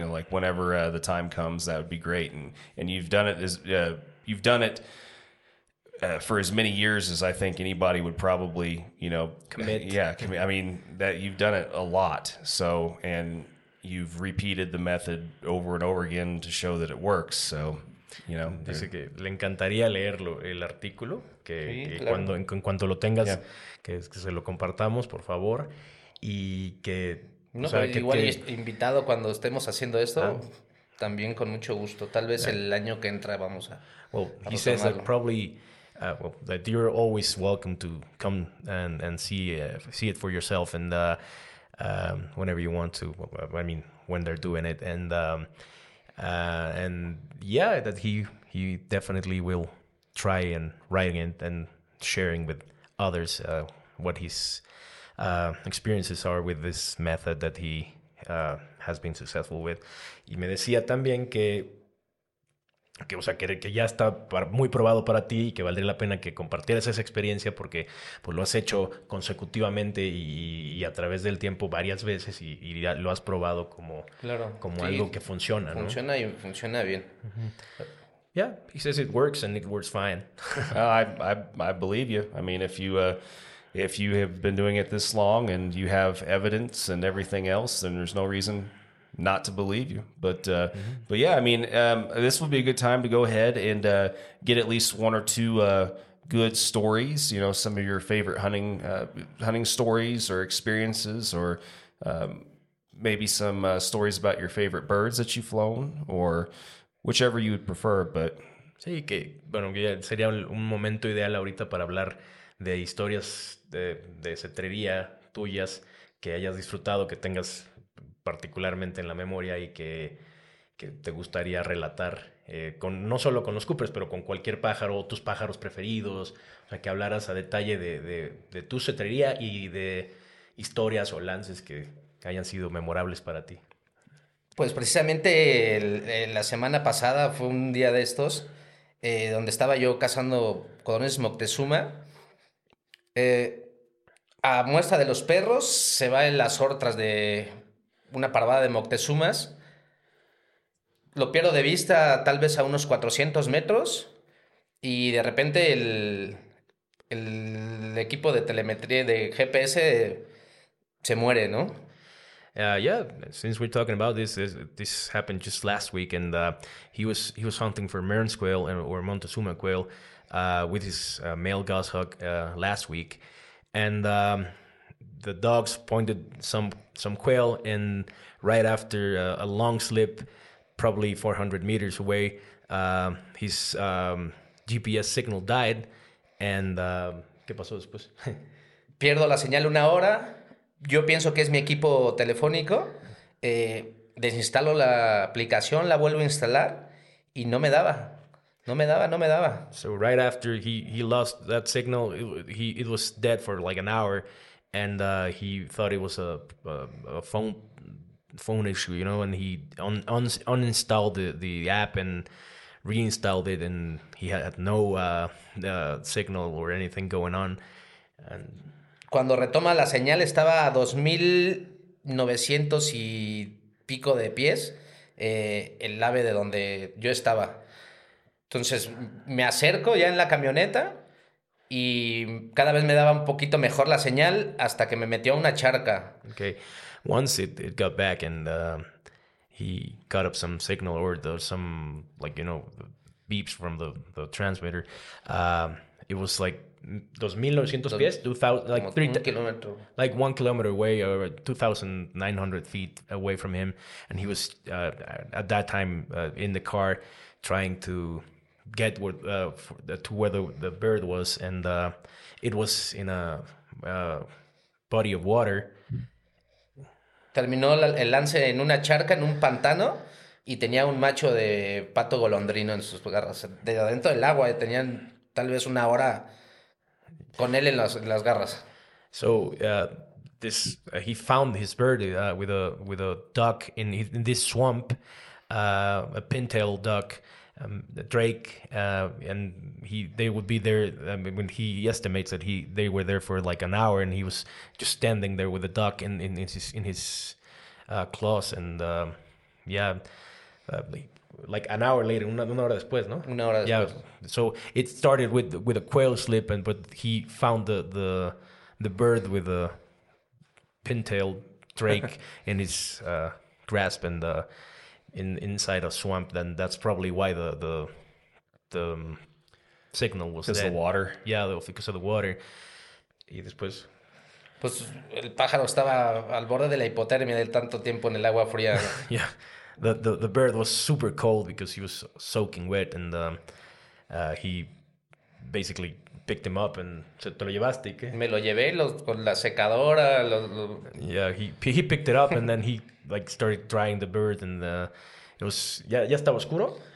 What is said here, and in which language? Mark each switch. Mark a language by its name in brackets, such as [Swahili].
[English] Whenever the time comes, that would be great. And you've done it for as many years as I think anybody would probably commit. Yeah, I mean that you've done it a lot. So and you've repeated the method over and over again to show that it works. So. [Spanish] Dice que le encantaría leerlo el artículo que cuando en cuanto lo tengas que se lo compartamos por favor y que no o sea, pero que, igual que... invitado cuando estemos haciendo esto también con mucho gusto tal vez el año que entra vamos a [English] well a he says that probably that you're always welcome to come and see it for yourself and whenever you want to I mean when they're doing it and that he definitely will try and writing it and sharing with others what his experiences are with this method that he has been successful with. [Spanish] Y me decía también que que, o sea, que ya está muy probado para ti y que valdría la pena que compartieras esa experiencia porque pues, lo has hecho consecutivamente y a través del tiempo varias veces y ya lo has probado como, claro, como sí, algo que funciona. Funciona, ¿no? Y funciona bien. Uh-huh. [English] Yeah, he says it works and it works fine. I believe you. I mean, if you have been doing it this long and you have evidence and everything else, then there's no reason not to believe you, but mm-hmm. but yeah, I mean, this would be a good time to go ahead and get at least one or two good stories. You know, some of your favorite hunting hunting stories or experiences, or maybe some stories about your favorite birds that you've flown, or whichever you would prefer. But [Spanish] sí, que bueno, que sería un momento ideal ahorita para hablar de historias de cetrería tuyas que hayas disfrutado, que tengas particularmente en la memoria y que te gustaría relatar con no solo con los Coopers, pero con cualquier pájaro, tus pájaros preferidos, o sea, que hablaras a detalle de tu cetrería y de historias o lances que hayan sido memorables para ti. Pues precisamente la semana pasada fue un día de estos donde estaba yo cazando codornices Moctezuma. A muestra de los perros se va en las ortras de una parvada de Moctezumas, lo pierdo de vista tal vez a unos 400 metros y de repente el equipo de telemetría de GPS se muere, ¿no? [English] Yeah, since we're talking about this happened just last week and he was hunting for Marin Squirrel or Montezuma Quail with his male goshawk last week and the dogs pointed some quail, and right after a long slip, probably 400 meters away, his GPS signal died. [Spanish] And ¿qué pasó después? Pierdo la señal una hora. Yo pienso que es mi equipo telefónico. Desinstalo la aplicación, la vuelvo a instalar, y no me daba. No me daba, no me daba. [English] So right after he lost that signal, it was dead for like an hour. And he thought it was a phone issue, you know, and he uninstalled the app and reinstalled it, and he had no signal or anything going on. And [Spanish] cuando retoma la señal estaba a 2,900 y pico de pies el ave de donde yo estaba. Entonces me acerco ya en la camioneta. Y cada vez me daba un poquito mejor la señal hasta que me metió a una charca. [English] Okay, once it got back and he got up some signal or some, like, you know, beeps from the transmitter. It was like 2,900 pies, 2,000, like 3 kilometers, like 1 kilometer away or 2,900 feet away from him, and he was at that time in the car trying to get to where the bird was, and it was in a body of water. [Spanish] Terminó el lance en una charca, en un pantano, y tenía un macho de pato golondrino en sus garras. De adentro del agua, tenían tal vez una hora con él en las garras. [English] So he found his bird with a duck in this swamp, a pintail duck. Drake and they would be there. I mean, when he estimates that they were there for like an hour, and he was just standing there with a duck in his claws, and like an hour later, [Spanish] una hora después, no? Una hora después. [English] Yeah. So it started with a quail slip, but he found the bird with a pintail drake in his grasp and inside a swamp, then that's probably why the signal was dead. Because of the water. Yeah, because of the water. [Spanish] Y después, pues el pájaro estaba al borde de la hipotermia del tanto tiempo en el agua fría. [English] Yeah, the bird was super cold because he was soaking wet, and he basically picked him up and [Spanish] se te lo llevaste, ¿qué? Me lo llevé con la secadora. [English] He picked it up and then he like started drying the bird, and it was [Spanish] ya estaba oscuro.